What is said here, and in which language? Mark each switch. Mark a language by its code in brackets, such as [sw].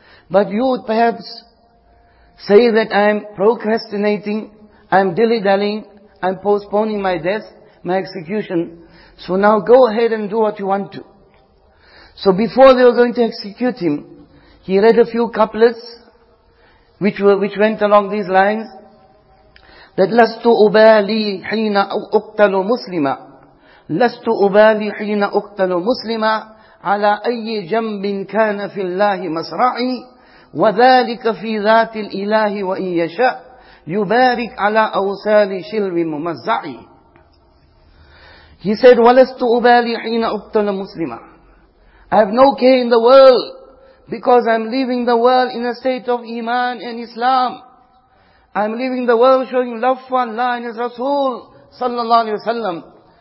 [en] But you would perhaps say that I am procrastinating, I am dilly-dallying, I am postponing my death, my execution. So now go ahead and do what you want to. So before they were going to execute him, he read a few couplets which went along these lines. [ar] That lastu ubali hina uqtalu muslima. لست أبالي حين أقتل مسلما على أي جنب كان في الله مسرعي وذلك في ذات الإله وإن يشاء يبارك على أوسال شلو ممزعي. [en] He said, [ar] ولست أبالي حين أقتل مسلما. [en] I have no care in the world because I'm leaving the world in a state of Iman and Islam. I'm leaving the world showing love for Allah and His Rasul صلى الله عليه وسلم.